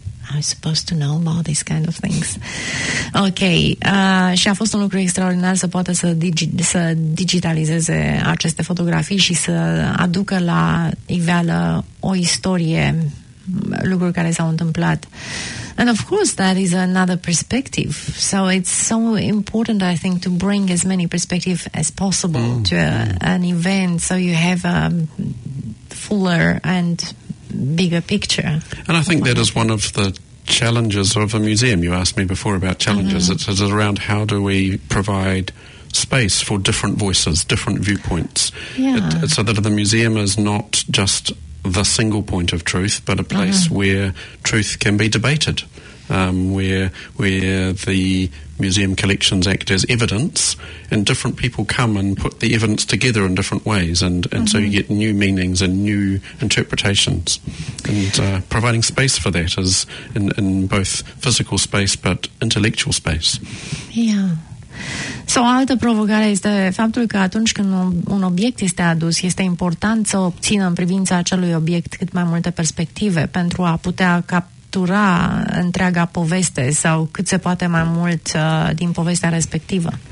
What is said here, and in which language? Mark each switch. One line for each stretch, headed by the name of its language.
English: I'm supposed to know about these kind of things. Ok.
Romanian: Și a fost un lucru extraordinar să poată să digitalizeze aceste fotografii și să aducă la iveală o istorie, lucruri care s-au întâmplat.
English: And of course, that is another perspective. So it's so important, I think, to bring as many perspectives as possible to an event so you have a fuller and bigger picture. And I think that is one of the challenges of a museum. You asked me before about challenges. It's around how do we provide space for different voices, different viewpoints, so that the museum is not just the single point of truth, but a place where truth can be debated, where the museum collections act as evidence, and different people come and put the evidence together in different ways, and so you get new meanings and new interpretations. And providing space for that is in both physical space but intellectual space. Yeah.
Romanian: Sau o altă provocare este faptul că atunci când un obiect este adus, este important să obțină în privința acelui obiect cât mai multe perspective pentru a putea captura întreaga poveste sau cât se poate mai mult din povestea respectivă.